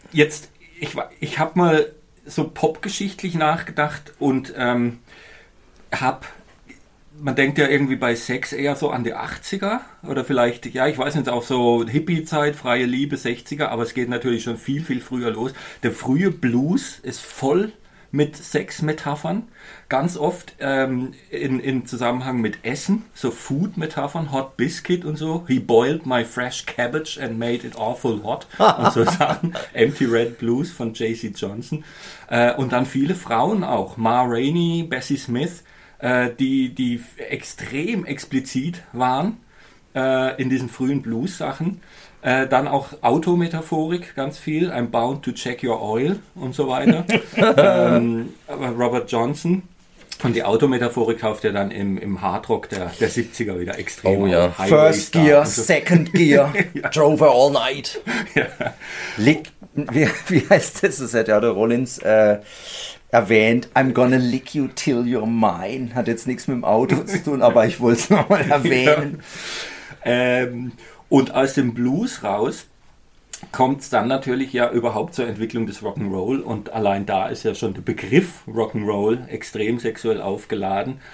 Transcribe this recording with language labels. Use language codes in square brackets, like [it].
[de] Jetzt, ich habe mal so popgeschichtlich nachgedacht und man denkt ja irgendwie bei Sex eher so an die 80er oder vielleicht, ja, ich weiß nicht, auch so Hippie-Zeit, freie Liebe, 60er, aber es geht natürlich schon viel, viel früher los. Der frühe Blues ist voll mit Sex-Metaphern, ganz oft in Zusammenhang mit Essen, so Food-Metaphern, Hot Biscuit und so. [en] He boiled my fresh cabbage and made it awful hot [de] und so Sachen. Empty Red Blues von J.C. Johnson. Und dann viele Frauen auch, Ma Rainey, Bessie Smith, die extrem explizit waren in diesen frühen Blues-Sachen. Dann auch Autometaphorik, ganz viel. [en] I'm bound to check your oil [de] und so weiter. Robert Johnson. Und die Autometaphorik kauft er dann im Hardrock der 70er wieder extrem. Oh ja. [en] First Gear, so. Second Gear. Drove her all night. [de] Ja. Wie heißt das? Das hat ja der Rollins erwähnt. [en] I'm gonna lick you till you're mine. [de] Hat jetzt nichts mit dem Auto zu tun, aber ich wollte es nochmal erwähnen. Ja. Und aus dem Blues raus kommt es dann natürlich ja überhaupt zur Entwicklung des Rock'n'Roll. Und allein da ist ja schon der Begriff Rock'n'Roll extrem sexuell aufgeladen.